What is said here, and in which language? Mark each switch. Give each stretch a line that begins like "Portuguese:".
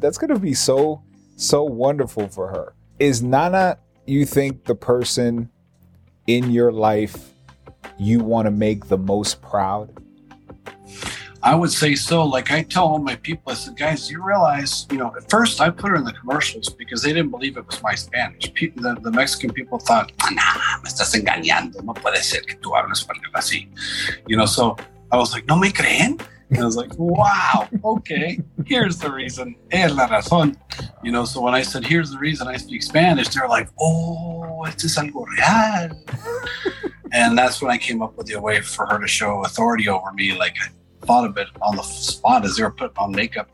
English: That's going to be so, so wonderful for her. Is Nana, you think, the person in your life you want to make the most proud? I would say so. Like I tell all my people, I said, guys, you realize, you know, at first I put her in the commercials because they didn't believe it was my Spanish. The Mexican people thought, nah,
Spanish: me estás engañando. No puede ser que tú hables español así.
English: You know, so I was like,
Spanish: no me creen?
English: And I was like, wow, okay, here's the reason.
Spanish: Es la razón.
English: You know, so when I said, here's the reason I speak Spanish, they're like, oh,
Spanish: esto es algo real.
English: And that's when I came up with the way for her to show authority over me, like, thought of it on the spot as they were putting on makeup.